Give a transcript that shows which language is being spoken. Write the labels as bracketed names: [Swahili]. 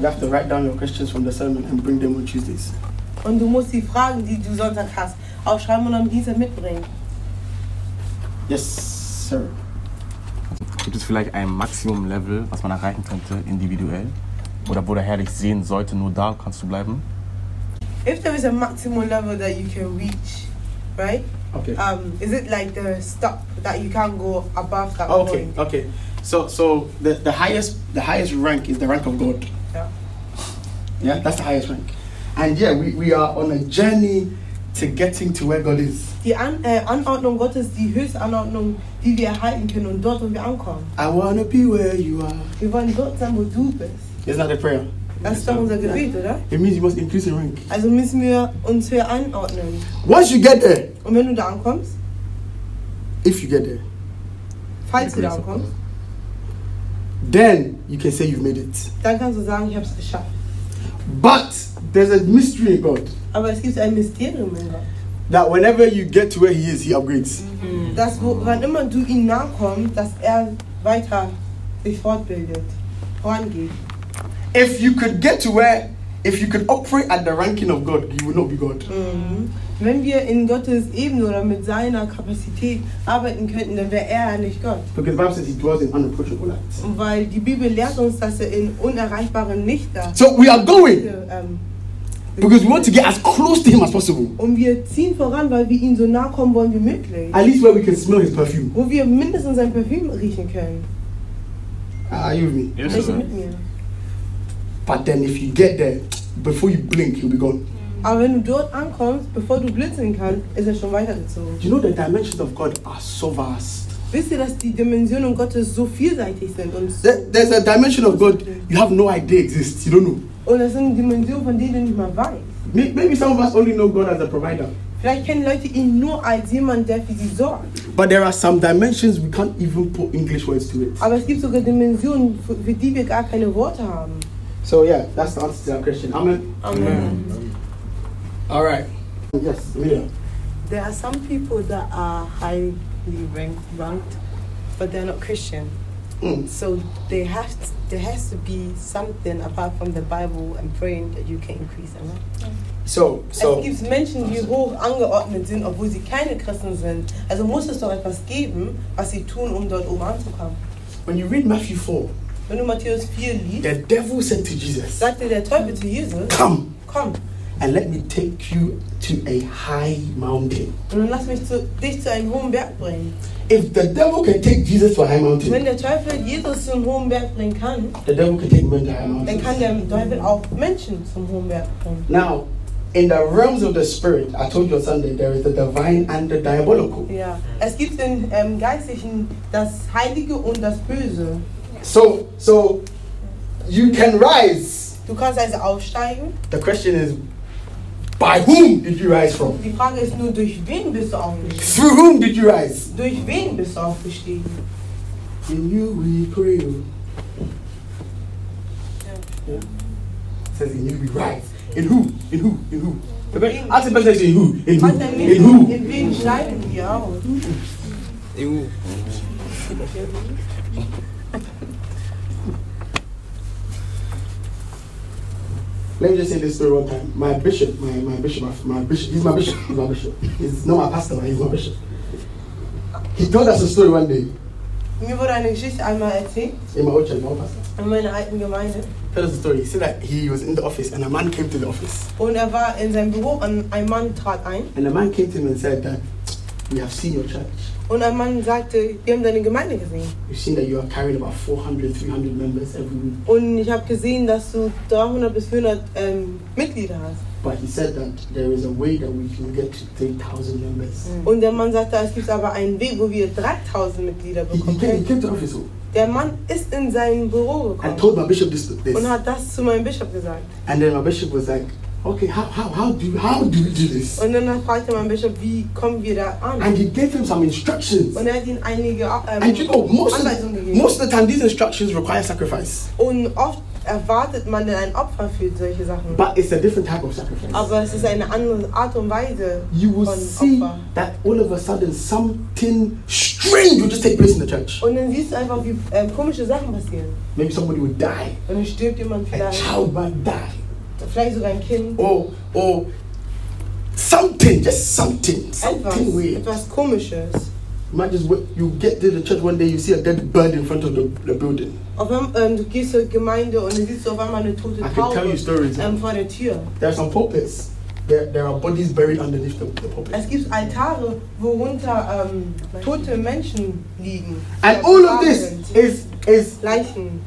[English] You have to write down your questions from the sermon and bring them on Tuesdays. [German] Und du musst die Fragen, die du Sonntag hast, aufschreiben und am Dienstag mitbringen. [English] Yes, sir. [German] Gibt es vielleicht ein Maximum-Level, was man erreichen könnte, individuell? Oder wo der Herr dich sehen sollte, nur da kannst du bleiben? [English] If there is a maximum level that you can reach, right? Okay. Is it like the stop that you can't go above that okay, point? Okay, okay. So the highest rank is the rank of God. Yeah. Yeah, that's the highest rank. And yeah, we are on a journey to getting to where God is. [German] Die Anordnung Gottes, die höchste Anordnung, die wir erhalten können und dort, wo wir ankommen. [English] I wanna be where you are. [German] Wir wollen dort sein, wo du bist. [English] Isn't that a prayer? [German] Das ist doch unser Gebet, oder? [English] It means you must increase in rank. [German] Also müssen wir uns höher anordnen. [English] Once you get there. [German] Und wenn du da ankommst? [English] If you get there. [German] Falls du da ankommst. [English] Then you can say you've made it. [German] Dann kannst du sagen, ich habe es geschafft. [English] But there's a mystery in God. [German] Aber es gibt ein Mysterium in Gott. [English] That whenever you get to where he is, he upgrades. Mm-hmm. [German] Dass wann immer du ihm nachkommst, dass er weiter sich fortbildet, vorangeht. [English] If you could get to where, if you could operate at the ranking of God, you would not be God. Mm-hmm. [German] Wenn wir in Gottes Ebene oder mit seiner Kapazität arbeiten könnten, dann wäre er nicht Gott. [English] Because the Bible says he dwells in unapproachable light. [German] Weil die Bibel lehrt uns, dass er in unerreichbaren Lichter. [English] So we are going. Because we want to get as close to him as possible. [German] Und wir ziehen voran, weil wir ihm so nah kommen wollen wie möglich. [English] At least where we can smell his perfume. [German] Wo wir mindestens sein Parfüm riechen können. [English] Are you with me? Yes, sir. [German] Mit mir. [English] But then if you get there, before you blink, you'll be gone. [German] Aber wenn du dort ankommst, bevor du blitzen kannst, ist er schon weitergezogen. [English] You know the dimensions of God are so vast. [German] Wisst ihr, dass die Dimensionen Gottes so vielseitig sind? [English] There's a dimension of God you have no idea exists. You don't know. [German] Und es sind Dimensionen, von denen du nicht mal weißt. [English] Maybe some of us only know God as a provider. [German] Vielleicht kennen Leute ihn nur als jemand, der für sie sorgt. [English] But there are some dimensions we can't even put English words to it. [German] Aber es gibt sogar Dimensionen, für die wir gar keine Worte haben. [English] So yeah, that's the answer to our question. Amen. Amen. All right. Yes, Mia. There are some people that are highly ranked, but they're not Christian. Mm. So there has to be something apart from the Bible and praying that you can increase, amen? So [German] es gibt Menschen, die hoch angeordnet sind, obwohl sie keine Christen sind. Also muss es doch etwas geben, was sie tun, um dort oben anzukommen. [English] When you read Matthew 4, [German] wenn du Matthäus 4 liest, [English] the devil said to Jesus, [German] sagte der Teufel zu Jesus, [English] Come. And let me take you to a high mountain. [German] Und dann lass mich dich zu einem hohen Berg bringen. [English] If the devil can take Jesus to a high mountain, [German] wenn der Teufel Jesus zum hohen Berg bringen kann, [English] the devil can take men to high mountains. [German] Dann kann der Teufel auch Menschen zum hohen Berg bringen. [English] Now, in the realms of the spirit, I told you on Sunday, there is the divine and the diabolical. [German] Yeah, es gibt den geistlichen, das Heilige und das Böse. [English] So you can rise. [German] Du kannst also aufsteigen. [English] The question is, by whom did you rise from? [German] Die Frage ist nur, durch wen bist du aufgestiegen? [English] Through whom did you rise? [German] Durch wen bist du aufgestiegen? [English] In you we pray. Yeah. Says in you we rise. In who? Okay. Ask the person in who? In who? In who? [German] In wen steigen wir aus? [English] In who? Let me just say this story one time. My bishop, he's not my pastor, but he's my bishop. He told us a story one day. [German] Mir wurde eine Geschichte einmal erzählt. [English] In my old church, my old pastor. [German] In meiner alten Gemeinde. [English] Tell us the story. He said that he was in the office and a man came to the office. [German] Und war in seinem Büro und ein Mann trat ein. [English] And a man came to him and said that, we have seen your church. [German] Und ein Mann sagte, wir haben deine Gemeinde gesehen. [English] We've seen that you are carrying about 400, 300 members every week. [German] Und ich habe gesehen, dass du 300 bis 400 Mitglieder hast. [English] But he said that there is a way that we can get to 3,000 members. Mm. [German] Und der Mann sagte, es gibt aber einen Weg, wo wir 3,000 Mitglieder bekommen. [English] He came to the office. [German] Der Mann ist in sein Büro gekommen. [English] And told my bishop this. [German] Und hat das zu meinem Bishop gesagt. [English] And then my bishop was like, okay, how do we do this? [German] Und dann fragte mein Bischof, wie kommen wir da an? [English] And he gave him some instructions. [German] Und hat ihm einige Anweisungen gegeben. [English] Most of the time, these instructions require sacrifice. [German] Und oft erwartet man denn ein Opfer für solche Sachen. [English] But it's a different type of sacrifice. [German] Aber es ist eine andere Art und Weise von Opfer. [English] You will see that all of a sudden something strange will just take place in the church. [German] Und dann siehst du einfach, wie komische Sachen passieren. [English] Maybe somebody will die. [German] Und dann stirbt jemand vielleicht. [English] A child might die. [German] Vielleicht sogar ein Kind. [English] Oh, something, just something [German] etwas, [English] weird. [German] Etwas Komisches. [English] Imagine you get to the church one day, you see a dead bird in front of the building. [German] Auf einmal du gehst zur Gemeinde und du siehst auf einmal eine tote Taube. [English] I can tell you stories. [German] Vor der Tür. [English] There are some pulpits. There are bodies buried underneath the pulpit. [German] Es gibt Altare, worunter tote Menschen liegen. [English] And all of this is [German] Leichen.